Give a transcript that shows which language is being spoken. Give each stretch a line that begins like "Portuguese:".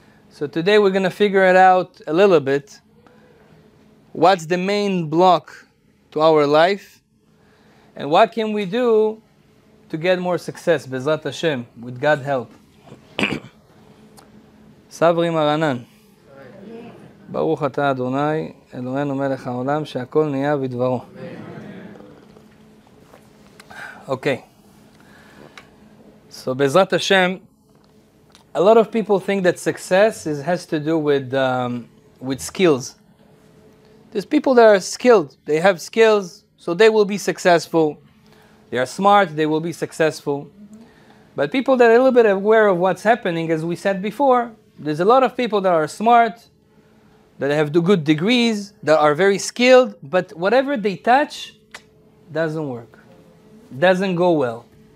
English: So today we're going to figure it out a little bit. What's the main block to our life? And what can we do to get more success, Bezrat Hashem, with God's help?
Aramaic: Savri Maranan.
Hebrew: ברוך אתה אדוני, אלוהינו מלך העולם, שהכל נהיה בדברו.
English: Okay. So, בעזרת השם, a lot of people think that success has to do with skills. There's people that are skilled. They have skills, so they will be successful. They are smart, they will be successful. But people that are a little bit aware of what's happening, as we said before, there's a lot of people that are smart, that have the good degrees, that are very skilled, but whatever they touch doesn't work, doesn't go well.